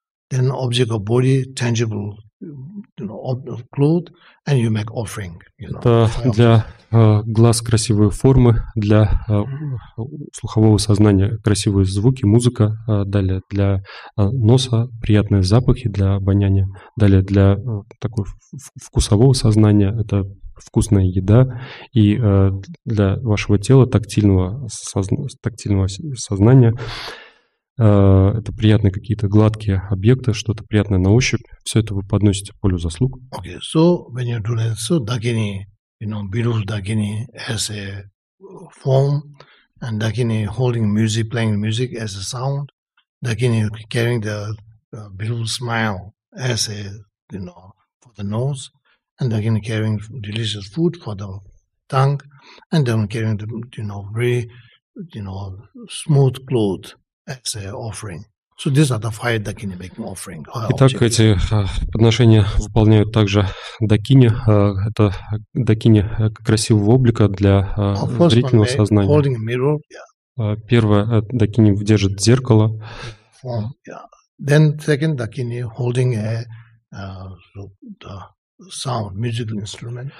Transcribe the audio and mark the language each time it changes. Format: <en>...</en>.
<en>Then object of body, tangible, you know, clothes. And you make offering. You know,</en> <ru>это для глаз красивые формы, для слухового сознания красивые звуки, музыка. Далее для носа приятные запахи, для обоняния. Далее для такой вкусового сознания это вкусная еда, и для вашего тела, тактильного сознания, это приятные какие-то гладкие объекты, что-то приятное на ощупь, все это вы подносите полю заслуг.</ru> <en>Okay, so when you do that, so dakini, you know, beautiful dakini as a form, and dakini holding music, playing music as a sound, dakini carrying the beautiful smile as a, you know, for the nose, and again carrying delicious food for the tongue, and then carrying the, you know, very, you know, smooth clothes as an offering. So these are the five dakini making offering.</en> <ru>Итак, эти подношения выполняют также дакини. Это дакини красивого облика для зрительного сознания.</ru> <en>Holding a mirror, yeah.</en> <ru>Первое, дакини держит зеркало.</ru> <en>Form, yeah. Then second, дакини holding a sound, musical instrument.</en>